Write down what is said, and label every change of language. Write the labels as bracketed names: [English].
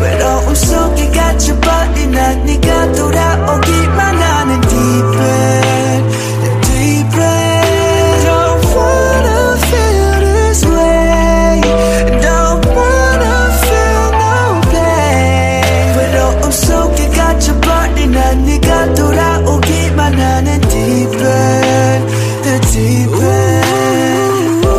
[Korean] 외로움 속에 갇혀버린 난 네가 돌아오기만 하는 [English] deep end, deep end. Don't wanna feel this way, don't wanna feel no pain. [Korean] 외로움 속에 갇혀버린 난 네가 돌아오기만 하는 [English] deep end, the deep end.